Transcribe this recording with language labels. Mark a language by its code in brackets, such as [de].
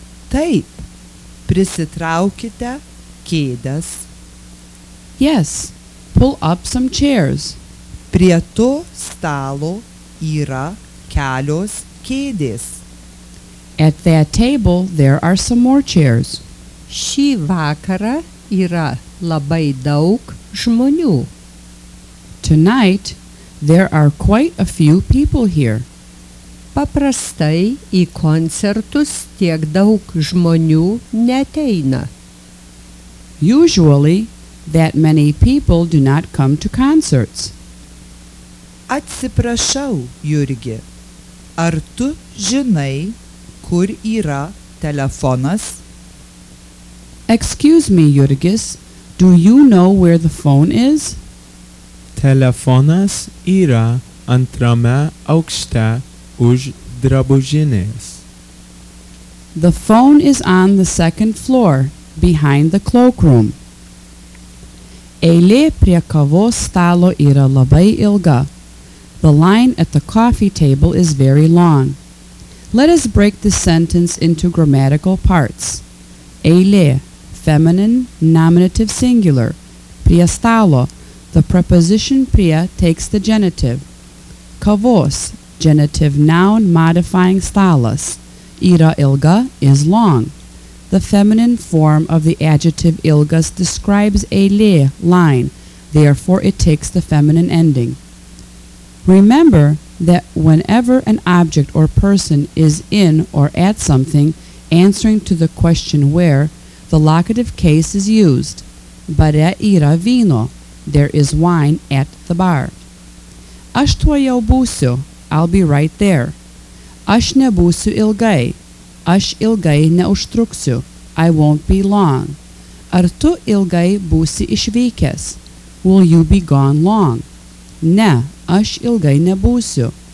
[lt] Taip, prisitraukite kėdas. [en] Yes, pull up some chairs. [lt] Prie to stalo yra kelios kėdės. [en] At that table there are some more chairs. [lt] Šį vakarą yra labai daug žmonių. [en] Tonight there are quite a few people here. [lt] Paprastai į koncertus tiek daug žmonių neateina. [en] Usually, that many people do not come to concerts. [lt] Atsiprašau, Jurgi. Ar tu žinai, kur yra telefonas? [en] Excuse me, Jurgis. Do you know where the phone is? [lt] Telefonas yra antrame aukšte už drabužinės. [en] The phone is on the second floor. Behind the cloakroom. [lt] Eilė prie kavos stalo yra labai ilga. [en] The line at the coffee table is very long. Let us break this sentence into grammatical parts. Eilė, feminine, nominative singular. Prie stalo, the preposition prie takes the genitive. Kavos, genitive noun modifying stalas. Yra ilga is long. The feminine form of the adjective ilgas describes a le, line, therefore it takes the feminine ending. Remember that whenever an object or person is in or at something, answering to the question where, the locative case is used. [lt] Bare yra vino, [en] there is wine at the bar. [lt] Aš tuojau būsiu, [en] I'll be right there. [lt] Aš nebūsiu ilgai. Aš ilgai neužtruksiu. [en] I won't be long. [lt] Ar tu ilgai būsi išvykęs? [en] Will you be gone long? [lt] Ne, aš ilgai nebūsiu.